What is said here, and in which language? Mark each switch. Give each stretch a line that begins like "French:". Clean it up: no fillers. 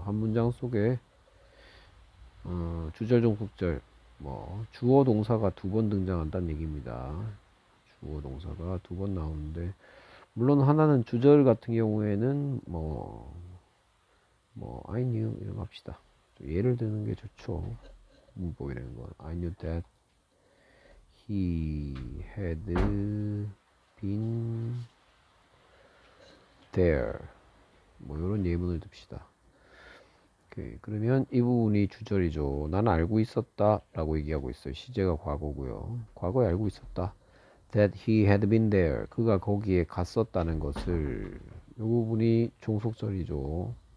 Korean: 한 문장 속에 주절, 종속절, 뭐 주어 동사가 두번 등장한다는 얘기입니다. 주어 동사가 두번 나오는데, 물론 하나는 주절 같은 경우에는 뭐
English: I knew
Korean: 이런 거 합시다. 예를 드는 게 좋죠. 뭐 이런 건
English: I knew that he had been there.
Korean: 뭐 이런 예문을 듭시다. 오케이. 그러면 이 부분이 주절이죠. 난 알고 있었다라고 얘기하고 있어요. 시제가 과거고요. 과거에 알고 있었다.
English: That he had been there.
Korean: 그가 거기에 갔었다는 것을. 이 부분이 종속절이죠.